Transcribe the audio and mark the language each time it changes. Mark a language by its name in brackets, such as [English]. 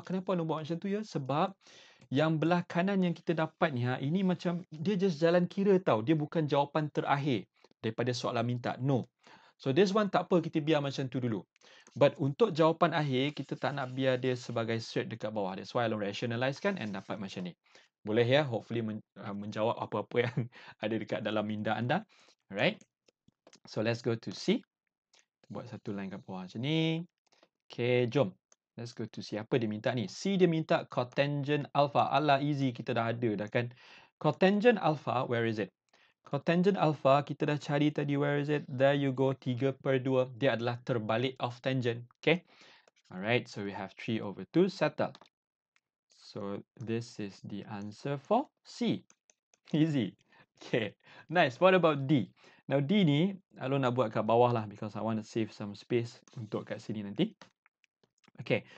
[Malay] Kenapa Alung buat macam tu ya? Sebab yang belah kanan yang kita dapat ni, ha, ini macam dia just jalan kira tau. Dia bukan jawapan terakhir daripada soalan minta. [English] No. So this one [Malay] tak apa, kita biar macam tu dulu. But untuk jawapan akhir, kita tak nak biar dia sebagai straight dekat bawah. [English] That's why I don't rationalize kan and dapat macam ni. [Malay] Boleh ya? Hopefully menjawab apa-apa yang ada dekat dalam minda anda. Alright? [English] So let's go to C. [Malay] Buat satu line kat bawah macam ni. Okay, jom. [English] Let's go to C. [Malay] Apa dia minta ni? C dia minta cotangent alpha. Alah, easy. Kita dah ada dah kan. [English] Cotangent alpha, where is it? [Malay] Cotangent alpha, kita dah cari tadi, [English] where is it? There you go, 3 per 2. [Malay] Dia adalah terbalik of tangent. [English] Okay? Alright, so we have 3 over 2. Settle. So, this is the answer for C. Easy. Okay. Nice. What about D? [Malay] Now, D ni, Alun nak buat kat bawah lah [English] because I want to save some space [Malay] untuk kat sini nanti. Okay.